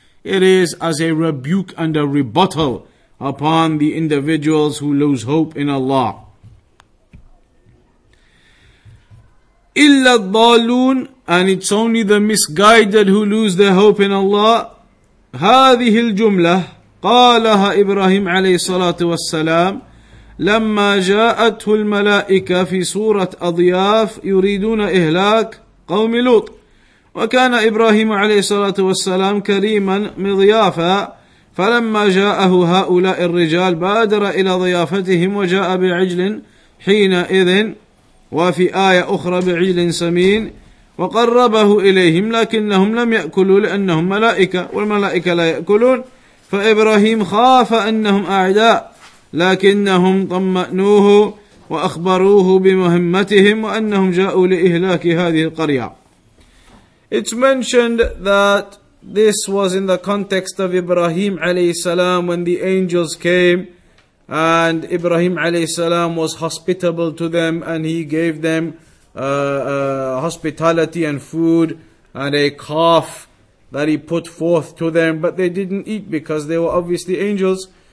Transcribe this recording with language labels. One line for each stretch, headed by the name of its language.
English: It is as a rebuke and a rebuttal upon the individuals who lose hope in Allah.
Arabic: إِلَّا الضَّالُونَ.
English: And it's only the misguided who lose their hope in Allah.
Arabic: هَذِهِ الْجُمْلَةِ قَالَهَا إِبْرَاهِيمْ عَلَيْهِ الصَّلَاةُ وَالسَّلَامُ لما جاءته الملائكة في سورة أضياف يريدون إهلاك قوم لوط. وكان إبراهيم عليه الصلاة والسلام كريما مضيافا، فلما جاءه هؤلاء الرجال بادر إلى ضيافتهم وجاء بعجل حينئذ، وفي آية أخرى بعجل سمين، وقربه إليهم لكنهم لم يأكلوا لأنهم ملائكة والملائكة لا يأكلون. فإبراهيم خاف أنهم أعداء لكنهم طمأنوه وأخبروه بمهمتهم وأنهم جاءوا لإهلاك هذه القرية.
English: It's mentioned that this was in the context of Ibrahim عليه السلام when the angels came and Ibrahim عليه السلام was hospitable to them and he gave them hospitality and food and a calf that he put forth to them, but they didn't eat because they were obviously angels.